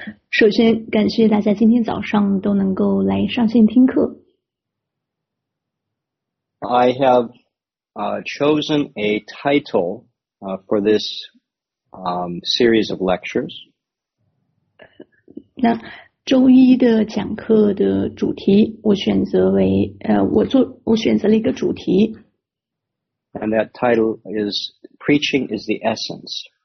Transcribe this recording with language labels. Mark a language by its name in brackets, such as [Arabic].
[Chinese] 首先感谢大家今天早上都能够来上线听课 [English] I haveChosen a title for this series of lectures. [Chinese] 那周一的讲课的主题，我选择为我选择了一个主题。 [English] And that title is "Preaching is the Essence."